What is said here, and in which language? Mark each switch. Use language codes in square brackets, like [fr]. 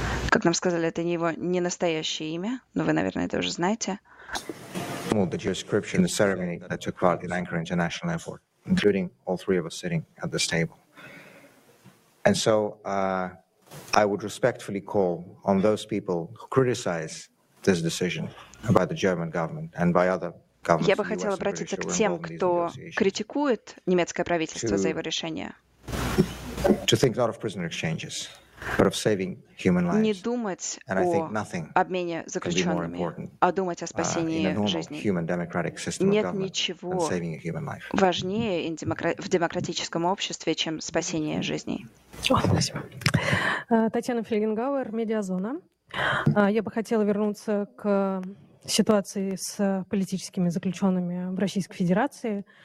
[ru] Как нам сказали, это не его не настоящее имя, но вы, наверное, это уже знаете. [en] The Jewish scripture in the ceremony that took part in Ankara International Airport, including all three of us sitting at this table. And so I would respectfully call on those people who criticize this decision by the German government and by other governments. [ru] Я бы хотел обратиться к тем, кто критикует немецкое правительство за его решение. [en] To think not of prisoner exchanges, but of saving human lives. [ru] Не думать о обмене заключенными, а думать о спасении жизни. Нет ничего важнее в демократическом обществе, чем спасение жизней. Спасибо. Татьяна Фельгенгауэр, Медиазона. Я бы хотела вернуться к ситуации с политическими заключенными в Российской Федерации.